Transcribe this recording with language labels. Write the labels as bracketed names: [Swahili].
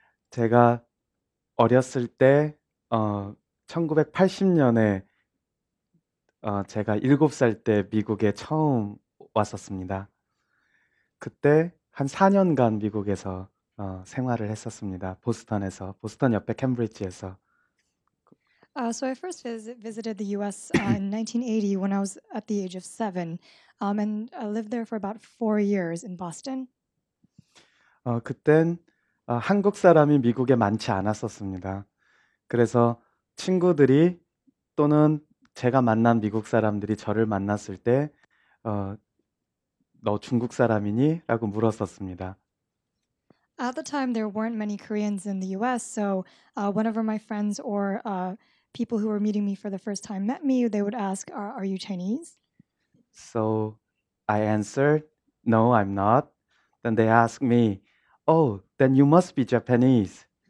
[Korean] 제가 어렸을 때 1980년에 제가 7살 때 미국에 처음 왔었습니다. 그때 한 4년간 미국에서 생활을 했었습니다. 보스턴에서 보스턴 옆에 캠브리지에서 [English] So I first visited the U.S. in 1980 when I was at the age of 7, and I lived there for about 4 years in Boston. [Korean] 그땐 한국 사람이 미국에 많지 않았었습니다. 그래서 친구들이 또는 제가 만난 미국 사람들이 저를 만났을 때 너 중국 사람이니? 라고 물었었습니다. [English] At the time, there weren't many Koreans in the U.S., so whenever my friends or people who were meeting me for the first time met me, they would ask, are you Chinese? So I answered, no, I'm not. Then they asked me, oh, then you must be Japanese.